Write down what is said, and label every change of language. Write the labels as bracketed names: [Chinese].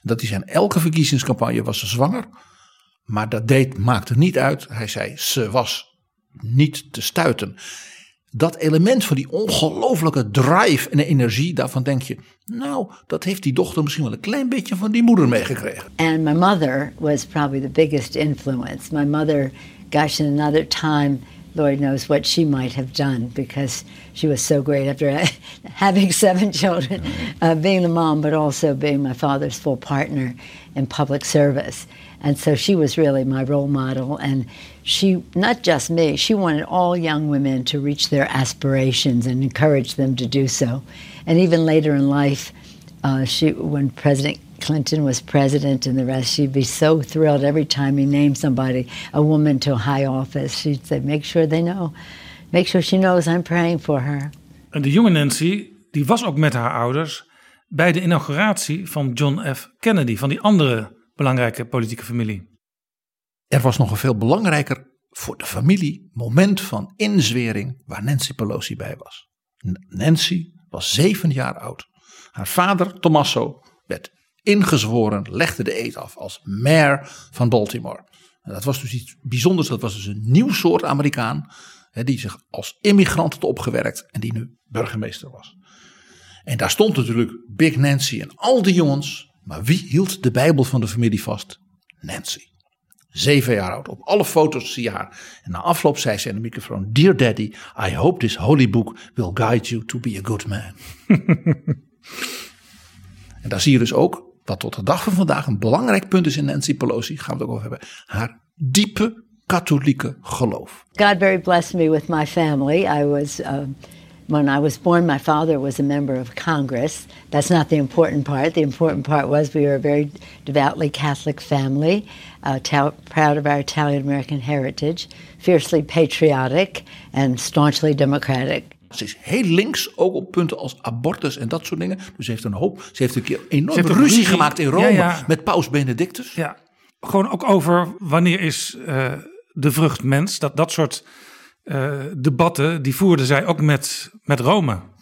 [Dutch] Dat hij zijn elke verkiezingscampagne was zwanger. Maar dat maakte niet uit. Hij zei, ze was niet te stuiten. Dat element van die ongelooflijke drive en energie, daarvan denk je, nou, dat heeft die dochter misschien wel een klein beetje van die moeder meegekregen. [English] And my mother was probably the biggest influence. My mother, gosh, in another time, Lord knows what she might have done because she was so great after having 7 children, being the mom, but also being my father's full partner in public service. And so she was really my role model. And she, not just me, she wanted all young women to reach their aspirations and encourage them to do so. And even later in life, when President Clinton was president and the rest, she'd be so thrilled every time he named somebody, a woman to a high office. She'd say, make sure they know. Make sure she knows I'm praying for her. [Dutch] En de jonge Nancy, die was ook met haar ouders bij de inauguratie van John F. Kennedy, van die andere belangrijke politieke familie. Er was nog een veel belangrijker voor de familie moment van inzwering waar Nancy Pelosi bij was. Nancy was 7 jaar oud. Haar vader, Tommaso, werd ingezworen, legde de eed af als mayor van Baltimore. En dat was dus iets bijzonders, dat was dus een nieuw soort Amerikaan, hè, die zich als immigrant had opgewerkt en die nu burgemeester was. En daar stond natuurlijk Big Nancy en al die jongens, maar wie hield de Bijbel van de familie vast? Nancy. 7 jaar oud, op alle foto's zie je haar. En na afloop zei ze in de microfoon, [English] dear daddy, I hope this holy book will guide you to be a good man. [Dutch] En daar zie je dus ook wat tot de dag van vandaag een belangrijk punt is in Nancy Pelosi. Gaan we het ook over hebben. Haar diepe katholieke geloof. [English] God very blessed me with my family. I was, when I was born, my father was a member of Congress. That's not the important part. The important part was we were a very devoutly Catholic family. Proud of our Italian-American heritage. Fiercely patriotic and staunchly democratic. [Dutch] Ze is heel links, ook op punten als abortus en dat soort dingen. Dus ze heeft een hoop. Ze heeft een keer enorm ruzie gemaakt in Rome met paus Benedictus. Ja. Gewoon ook over wanneer is de vrucht mens. Dat soort debatten, die voerde zij ook met Rome.